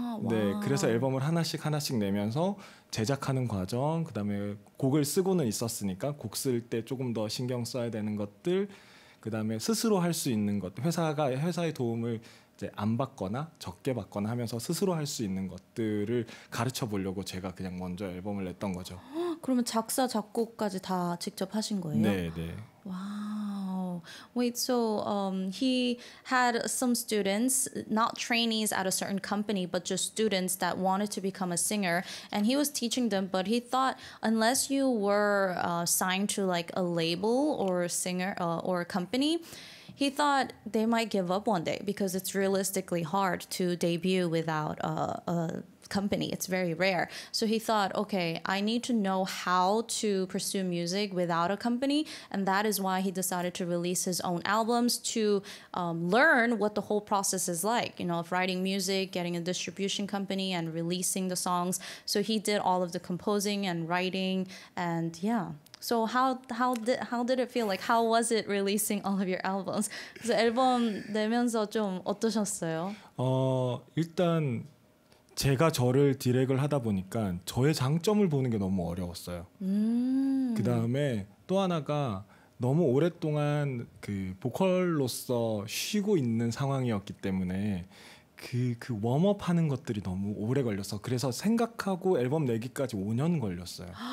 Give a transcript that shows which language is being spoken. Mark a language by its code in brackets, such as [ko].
[ko] 네, 그래서 앨범을 하나씩 내면서 제작하는 과정, 그다음에 곡을 쓰고는 있었으니까 곡 쓸 때 조금 더 신경 써야 되는 것들, 그다음에 스스로 할 수 있는 것, 회사의 도움을 이제 안 받거나 적게 받거나 하면서 스스로 할 수 있는 것들을 가르쳐 보려고 제가 그냥 먼저 앨범을 냈던 거죠. 그러면 작사 작곡까지 다 직접 하신 거예요? 네. 와우. [en] Wait, so he had some students, not trainees at a certain company, but just students that wanted to become a singer, and he was teaching them. But he thought unless you were signed to like a label or a singer or a company. He thought they might give up one day because it's realistically hard to debut without a company. It's very rare. So he thought, okay, I need to know how to pursue music without a company. And that is why he decided to release his own albums to learn what the whole process is like, you know, of writing music, getting a distribution company and releasing the songs. So he did all of the composing and writing and yeah. So how did it feel like? How was it releasing all of your albums? [ko] 그래서 앨범 내면서 좀 어떠셨어요? 일단 제가 저를 디렉을 하다 보니까 저의 장점을 보는 게 너무 어려웠어요. 그 다음에 또 하나가 너무 오랫동안 그 보컬로서 쉬고 있는 상황이었기 때문에 그 웜업 하는 것들이 너무 오래 걸려서 그래서 생각하고 앨범 내기까지 5년 걸렸어요.